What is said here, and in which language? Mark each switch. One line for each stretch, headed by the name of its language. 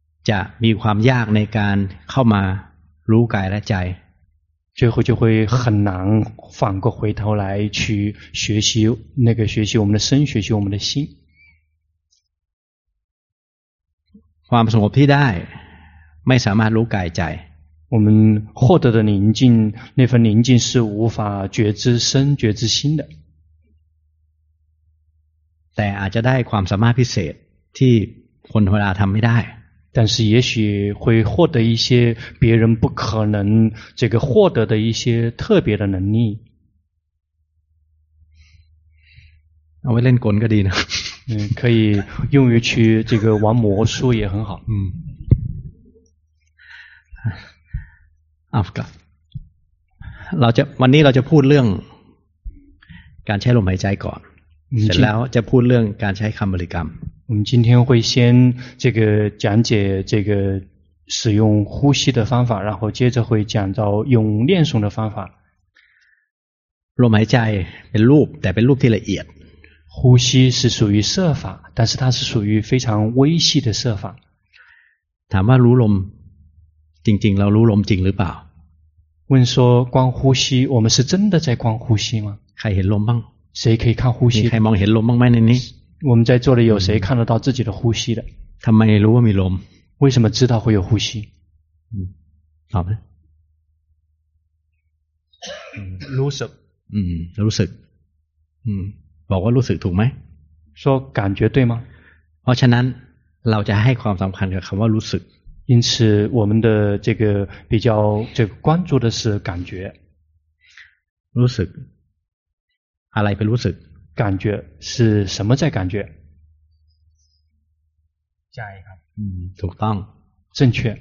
Thai: จะมีความยากในการเข้ามารู้กายและใจ
Chinese: 最后就会很难反过回头来去学习那个学习我们的身学习我们的心
Thai: ความสงบที่ได้ไม่สามารถรู้กายใจ
Chinese: 我们获得的宁静那份宁静是无法觉知身觉知心的
Thai: แต่อาจจะได้ความสามารถพิเศษที่คนธรรมดาทำไม่ได้
Chinese: 但是也许会获得一些别人不可能这个获得的一些特别的能力
Thai: เอาไว้เล่นกลก็ดีนะ
Chinese: 可以用于去这个玩魔术也很好
Thai: เราจะวันนี้เราจะพูดเรื่องการใช้ลมหายใจก่อนเสร็จแล้วจะพูดเรื่องการใช้คำบริกรรม
Chinese: 我们今天会先这个讲解这个使用呼吸的方法，然后接着会讲到用念诵的方法。
Thai: ลมหายใจเป็นรูปแต่เป็นรูปที่ละเอียด
Chinese: 呼吸是属于色法，但是它是属于非常微细的色法。
Thai: ถามว่ารู้ลมจริงๆเรารู้ลมจริงหรือเปล่า？
Chinese: 问说光呼吸，我们是真的在光呼吸吗？
Thai: ใครเห็นลมบ้าง？
Chinese: 谁可以看呼吸？
Thai: มีใครมองเห็นลมบ้างไหมในนี้
Chinese: 我们在座的有谁看得到自己的呼吸的？
Thai: ทำไมรู้ว่ามีลม？
Chinese: 为什么知道会有呼吸？好吗？
Thai: รู้สึก รู้สึก บอกว่ารู้สึกถูกไหม？
Chinese: 说感觉对吗？
Thai: เพราะฉะนั้นเราจะให้ความสำคัญกับคำว่ารู้สึก
Chinese: 因此我们的这个比较这个关注的是感觉
Thai: รู้สึกอะไรเป็นรู้สึก
Chinese: 感觉是什么在感觉？
Thai: ใจครับ ถูกต้อง
Chinese: 正确